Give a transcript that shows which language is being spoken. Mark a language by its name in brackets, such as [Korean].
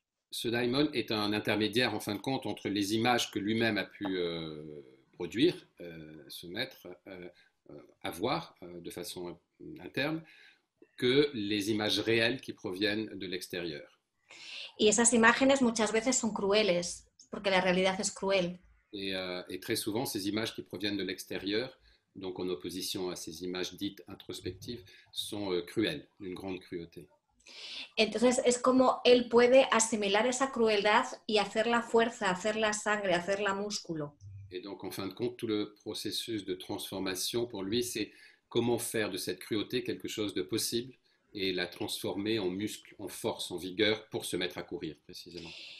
[French] Ce daimon est un intermédiaire, en fin de compte, entre les images que lui-même a pu produire, se mettre, avoir de façon interne, que les images réelles qui proviennent de l'extérieur. [Spanish] Y esas imágenes muchas veces son crueles, porque la realidad es cruel. [French] Et très souvent, ces images qui proviennent de l'extérieur, donc en opposition à ces images dites introspectives, sont cruelles, d'une grande cruauté. [Spanish] Entonces, es como él puede asimilar esa crueldad y hacer la fuerza, hacer la sangre, hacer la músculo. [French] Et donc, en fin de compte, tout le processus de transformation pour lui, c'est comment faire de cette cruauté quelque chose de possible et la transformer en muscle, en force, en vigueur pour se mettre à courir, précisément.